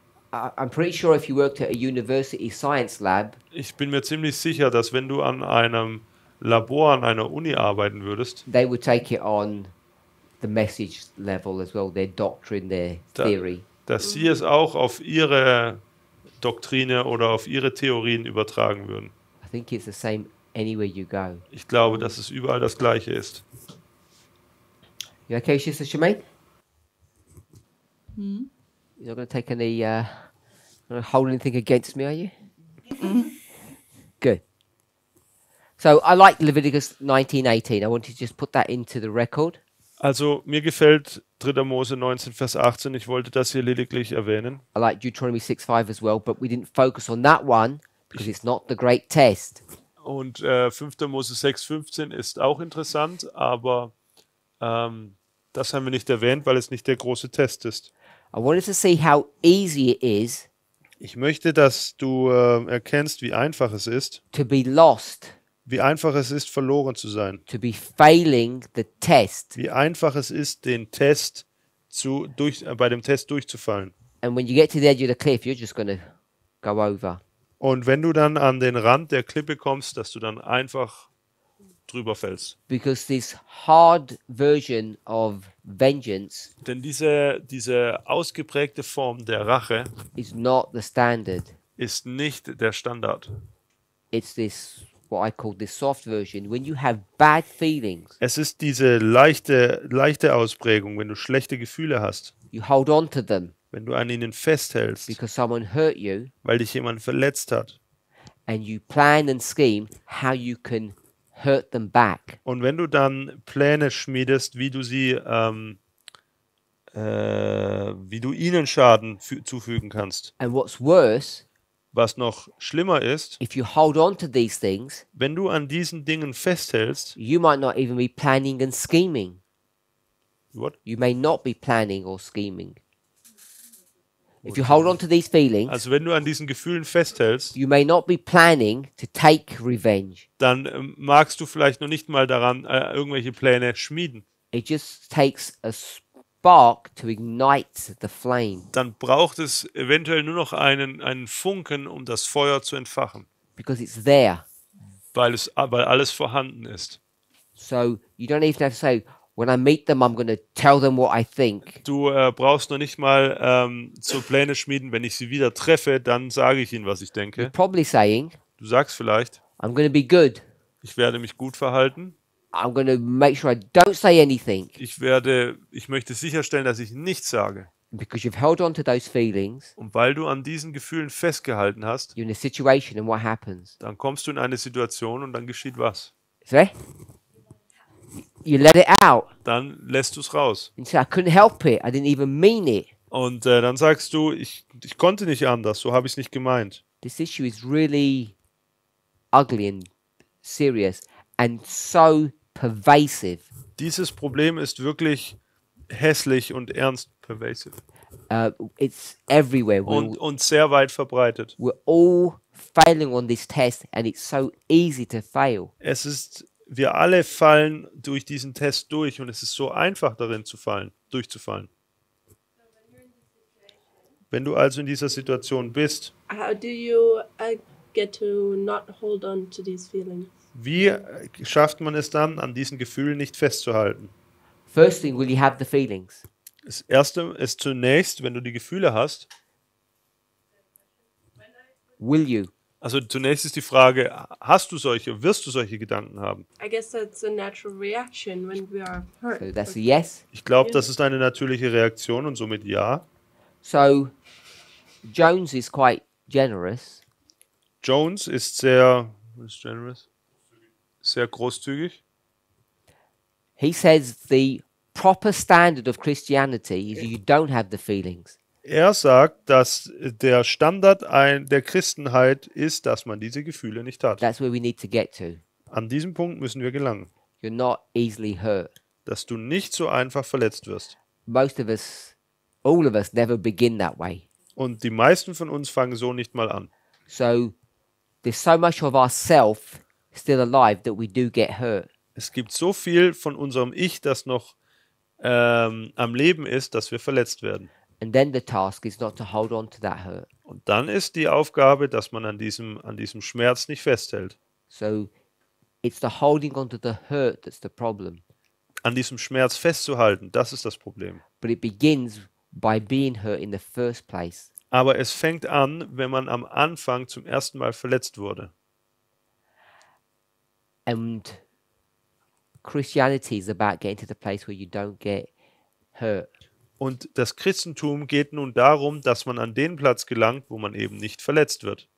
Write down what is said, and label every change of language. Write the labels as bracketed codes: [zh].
[en] I'm pretty sure if you worked at a university science lab. [de] Ich bin mir ziemlich sicher, dass wenn du an einem Labor an einer Uni arbeiten würdest, [en] they would take it on the message level as well, their doctrine, their theory. [de] Dass sie es auch auf ihre Doktrine oder auf ihre Theorien übertragen würden. [en] I think it's the same anywhere you go. [de] Ich glaube, dass es überall das Gleiche ist. [en] You okay, Sister Shemaine? Hmm? You're not going to take any, hold anything against me, are you? Good. So, I like Leviticus 19:18. I want to just put that into the record. [de] Also, mir gefällt 3. Mose 19, Vers 18. Ich wollte das hier lediglich erwähnen. [en] I like Deuteronomy 6:5 as well, but we didn't focus on that one because it's not the great test. [de] Und 5. Mose 6:15 ist auch interessant, aber das haben wir nicht erwähnt, weil es nicht der große Test ist. [en] I wanted to see how easy it is. [de] Ich möchte, dass du erkennst, wie einfach es ist. [en] To be lost. [de] Wie einfach es ist, verloren zu sein. [en] To be failing the test. [de] Wie einfach es ist, den Test bei dem Test durchzufallen. [en] And when you get to the edge of the cliff, you're just going to go over. [de] Und wenn du dann an den Rand der Klippe kommst, dass du dann einfach drüber fällst. [en] Because this hard version of vengeance. [de] Denn diese ausgeprägte Form der Rache [en] is not the standard. [de] Ist nicht der Standard. [en] It's this what I call the soft version. When you have bad feelings. [de] Es ist diese leichte Ausprägung, wenn du schlechte Gefühle hast. [en] You hold on to them. [de] Wenn du an ihnen festhältst. [en] Because someone hurt you. [de] Weil dich jemand verletzt hat. [en] And you plan and scheme how you can hurt them back. [de] Und wenn du dann Pläne schmiedest, wie du sie, wie du ihnen Schaden zufügen kannst. [en] And what's worse. [de] Was noch schlimmer ist, [en] if you hold on to these things, [de] wenn du an diesen Dingen festhältst, [en] you might not even be planning and scheming. What? You may not be planning or scheming. If you hold on to these feelings, [de] also wenn du an diesen Gefühlen festhältst, [en] you may not be planning to take revenge. [de] Dann magst du vielleicht noch nicht mal daran irgendwelche Pläne schmieden. [en] It just takes a spark to ignite the flame. [de] Dann braucht es eventuell nur noch einen Funken, um das Feuer zu entfachen. [en] Because it's there. [de] Weil alles vorhanden ist. [en] So you don't even have to say, when I meet them, I'm going to tell them what I think. [de] Du brauchst noch nicht mal zu Pläne schmieden. Wenn ich sie wieder treffe, dann sage ich ihnen, was ich denke. [en] You're probably saying, [de] du sagst vielleicht, [en] I'm going to be good. [de] Ich werde mich gut verhalten. [en] I'm going to make sure I don't say anything. [de] Ich möchte sicherstellen, dass ich nichts sage. [en] Because you've held on to those feelings. [de] Und weil du an diesen Gefühlen festgehalten hast. [en] You're in a situation and what happens? [de] Dann kommst du in eine Situation und dann geschieht was? [en] See? You let it out. [de] Dann lässt du es raus. [en] And say, I couldn't help it. I didn't even mean it. [de] Und dann sagst du, ich konnte nicht anders. So habe ich es nicht gemeint. [en] This issue is really ugly and serious. And so pervasive. [de] Dieses Problem ist wirklich hässlich und ernst pervasive. [en] It's everywhere. [de] Und sehr weit verbreitet. [en] We're all failing on this test, and it's so easy to fail. [de] Wir alle fallen durch diesen Test durch, und es ist so einfach darin durchzufallen. Wenn du also in dieser Situation bist, [en] how do you get to not hold on to these feelings? [de] Wie schafft man es dann, an diesen Gefühlen nicht festzuhalten? [en] First thing, will you have the feelings? [de] Das Erste ist zunächst, wenn du die Gefühle hast. [en] Will you? [de] Also zunächst ist die Frage, hast du solche, wirst du solche Gedanken haben? [en] I guess that's a natural reaction when we are hurt. So that's a yes. [de] Ich glaube, das ist eine natürliche Reaktion und somit ja. [en] So, Jones is quite generous. [de] Jones ist sehr, generous? Sehr großzügig. [en] He says the proper standard of Christianity is you don't have the feelings. [de] Er sagt, dass der Standard der Christenheit ist, dass man diese Gefühle nicht hat. [en] That's where we need to get to. [de] An diesem Punkt müssen wir gelangen. [en] You're not easily hurt. [de] Dass du nicht so einfach verletzt wirst. [en] Most of us, all of us never begin that way. [de] Und die meisten von uns fangen so nicht mal an. [en] So there's so much of ourself still alive that we do get hurt. [de] Es gibt so viel von unserem Ich, das noch am Leben ist, dass wir verletzt werden. [en] And then the task is not to hold on to that hurt. [de] Und dann ist die Aufgabe, dass man an diesem Schmerz nicht festhält. [en] So it's the holding on to the hurt that's the problem. [de] an diesem Schmerz festzuhalten, das ist das Problem. [en] But it begins by being hurt in the first place. [de] Aber es fängt an, wenn man am Anfang zum ersten Mal verletzt wurde. [en] And Christianity is about getting to the place where you don't get hurt. [de] Und das Christentum geht nun darum, dass man an den Platz gelangt, wo man eben nicht verletzt wird.